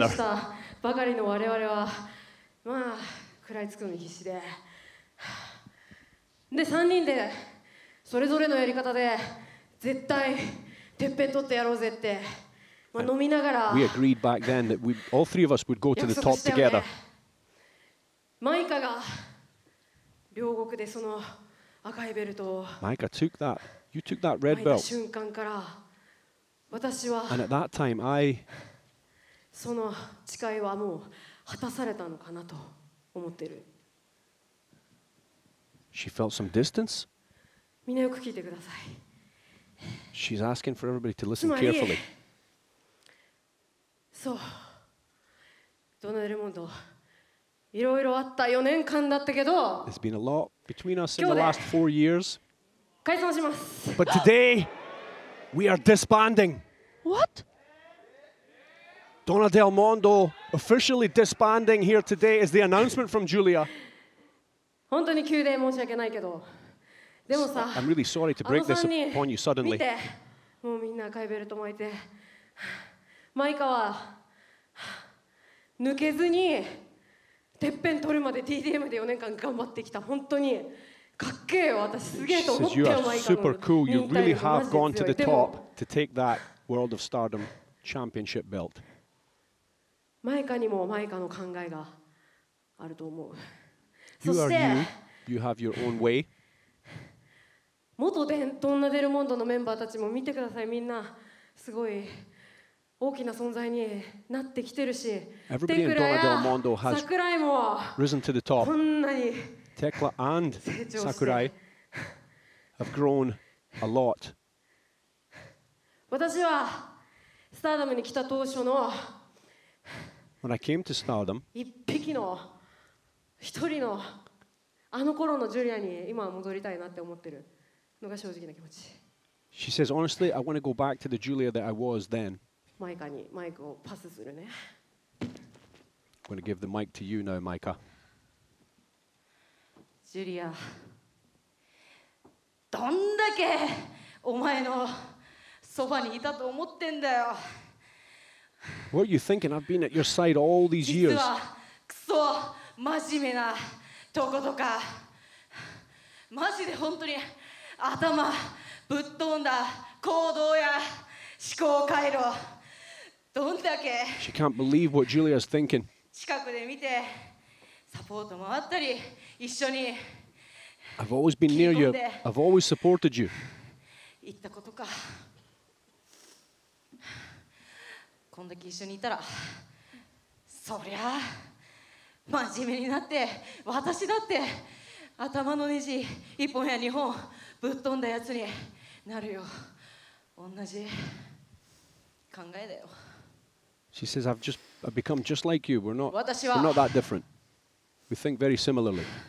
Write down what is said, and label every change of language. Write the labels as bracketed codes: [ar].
[ja] まだデビューしたばかりの我々は、まあ、食らいつくのに必死で。で、3人で、それぞれのやり方で、絶対、てっぺん取ってやろうぜって。まあ、飲みながら。 [en] We agreed back then that we, all three of us would go to the top together. [ja] マイカが両国でその赤いベルトを。 [en] マイカ took that. You took that red belt. [ja] 瞬間から私は。 [en] And at that time, I. [ja] その誓いはもう果たされたのかなと思ってる。 [en] She felt some distance. [ja] みんなよく聞いてください。 [en] She's asking for everybody to listen carefully. [ja] そう。ドナルモンド。いろいろあった4年間だったけど。 [en] It's been a lot between us in the last four years. [ja] 解散します。 [en] But today, we are disbanding. What? Donna Del Mondo officially disbanding here today is the announcement from Julia. [ja] 本当に急で申し訳ないけど。でもさ、 [en] I'm really sorry to break this upon you suddenly. [ja] 見て、もうみんな赤いベルト巻いて。マイカは、抜けずに、てっぺん取るまで TDM で4年間頑張ってきた本当にかっけえよ私すげえと思ってよ前から [en] super cool. You really have gone to the top to take that World of Stardom Championship belt. [ja] 前かにも前かの考えがあると思う。 [en] You are you. You have your own way. [ja] 元ドナ・デルモンドのメンバーたちも見てくださいみんなすごい。大きな存在になってきてるし、 [en] Everybody in Donna Del Mondo has risen to the top. Tekla and Sakurai have grown a lot. [ja] 私はスターダムに来た当初の、 [en] When I came to stardom, [ja] 一匹の一人のあの頃のジュリアに今戻りたいなって思ってるのが正直な気持ち。 [en] She says honestly, I want to go back to the Julia that I was then. [ja] マイカにマイクをパスするね。 [en] I'm going to give the mic to you now, マイカ。 [ja] ジュリア、どんだけお前のそばにいたと思ってんだよ。 [en] What are you thinking? I've been at your side all these years. [ja] 実はクソ真面目なとことか、マジで本当に頭ぶっ飛んだ行動や思考回路。どんだけ [en] She can't believe what Julia's thinking. [ja] 近くで見てサポート回ったり一緒に [en] I've always been near you. I've always supported you. [ja] 行ったことか。こんだけ一緒にいたらそりゃ真面目になって私だって頭のネジ一本や二本ぶっ飛んだやつになるよ。同じ考えだよ。 [en] She says, I've become just like you. We're not that different. We think very similarly.